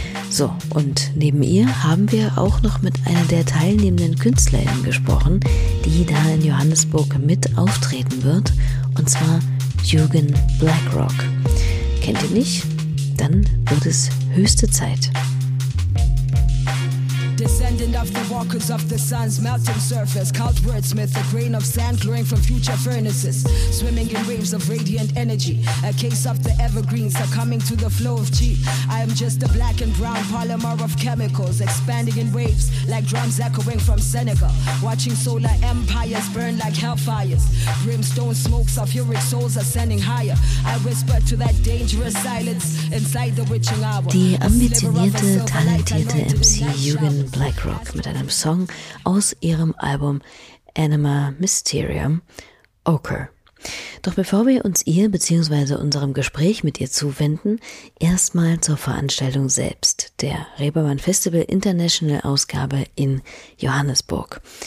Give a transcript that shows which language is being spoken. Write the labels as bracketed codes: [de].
[de] So, und neben ihr haben wir auch noch mit einer der teilnehmenden KünstlerInnen gesprochen, die da in Johannesburg mit auftreten wird, und zwar Jürgen Blackrock. Kennt ihr nicht? Dann wird es höchste Zeit. [en] Descendant of the walkers of the sun's melting surface, cult wordsmith, a grain of sand clearing from future furnaces, swimming in waves of radiant energy, a case of the evergreens succumbing to the flow of chi. I am just a black and brown polymer of chemicals, expanding in waves like drums echoing from Senegal, watching solar empires burn like hellfires, brimstone smokes of auric souls ascending higher. I whisper to that dangerous silence inside the witching hour. [de] Die ambitionierte, talentierte MC Jürgen Blackrock mit einem Song aus ihrem Album Anima Mysterium, Ochre. Doch bevor wir uns ihr bzw. unserem Gespräch mit ihr zuwenden, erstmal zur Veranstaltung selbst, der Reeperbahn Festival International Ausgabe in Johannesburg.